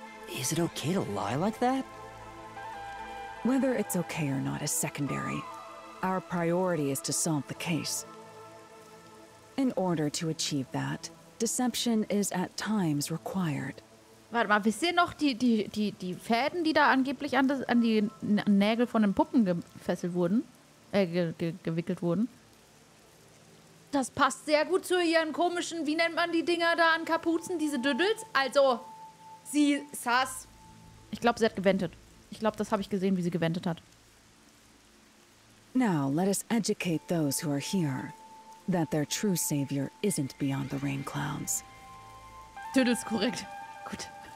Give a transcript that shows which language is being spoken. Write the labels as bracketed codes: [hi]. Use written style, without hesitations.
[en] Is it okay to lie like that? Whether it's okay or not is secondary. Our priority is to solve the case. In order to achieve that, deception is at times required. [de] Warte mal, wisst ihr noch die Fäden, die da angeblich an die Nägel von den Puppen gefesselt wurden? Gewickelt wurden? Das passt sehr gut zu ihren komischen, wie nennt man die Dinger da an Kapuzen, diese Düdels? Also, sie saß. Ich glaube, sie hat gewendet. Ich glaube, das habe ich gesehen, wie sie gewendet hat. [en] Now, let us educate those who are here, that their true savior isn't beyond the rain clouds. [de] Tüdels korrekt. Gut.